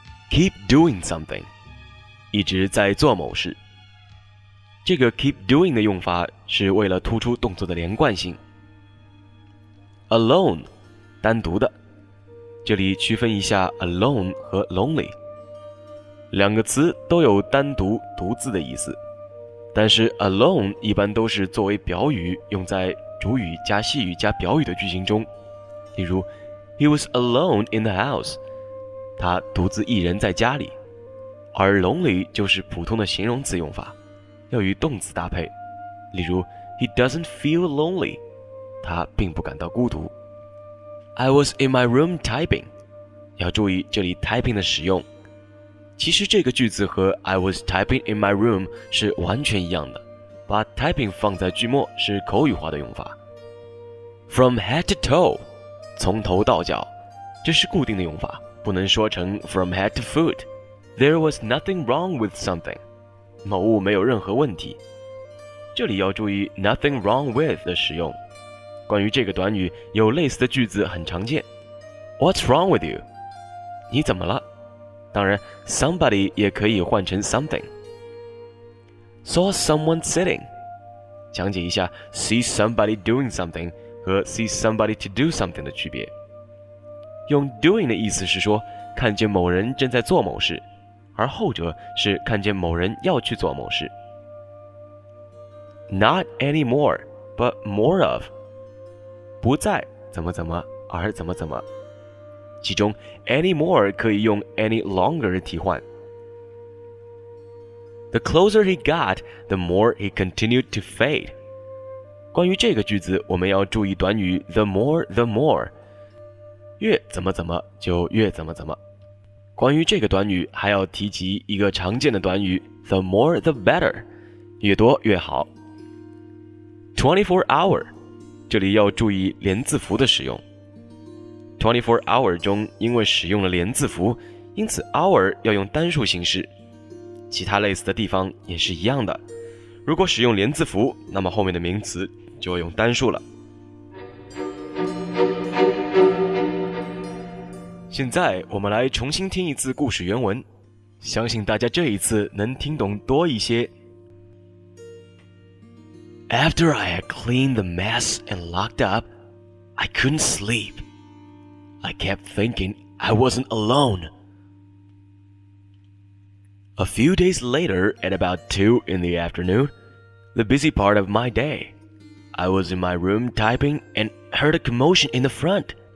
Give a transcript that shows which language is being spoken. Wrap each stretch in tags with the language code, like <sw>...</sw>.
<zh>Keep doing something，一直在做某事。这个 keep doing 的用法是为了突出动作的连贯性。 Alone， 单独的。这里区分一下 alone 和 lonely， 两个词都有单独、独自的意思，但是 alone 一般都是作为表语用在主语加系语加表语的句型中，例如 He was alone in the house。他独自一人在家里，而 lonely 就是普通的形容词用法，要与动词搭配，例如 He doesn't feel lonely，他并不感到孤独。 I was in my room typing，要注意这里 typing 的使用，其实这个句子和 I was typing in my room 是完全一样的，把 typing 放在句末是口语化的用法。 From head to toe，从头到脚，这是固定的用法，不能说成 from head to foot。 There was nothing wrong with something，某物没有任何问题。这里要注意 nothing wrong with 的使用，关于这个短语有类似的句子很常见。 What's wrong with you？你怎么了？当然 somebody 也可以换成 something。 Saw someone sitting， 讲解一下 see somebody doing something 和 see somebody to do something 的区别。用 doing 的意思是说看见某人正在做某事，而后者是看见某人要去做某事。 Not anymore but more of，不再怎么怎么而怎么怎么，其中 anymore 可以用 any longer 替换。 The closer he got the more he continued to fade，关于这个句子我们要注意短语 the more the more，越怎么怎么就越怎么怎么。关于这个短语还要提及一个常见的短语 The more the better，越多越好。 24 hour， 这里要注意连字符的使用。 24 hour 中因为使用了连字符，因此 hour 要用单数形式，其他类似的地方也是一样的，如果使用连字符那么后面的名词就用单数了。现在我们来重新听一次故事原文，相信大家这一次能听懂多一些。</zh> <en>After I had cleaned the mess and locked up, I couldn't sleep. I kept thinking I wasn't alone. A few days later, at about 2 in the afternoon, the busy part of my day, I was in my room typing and heard a commotion in the front.</en>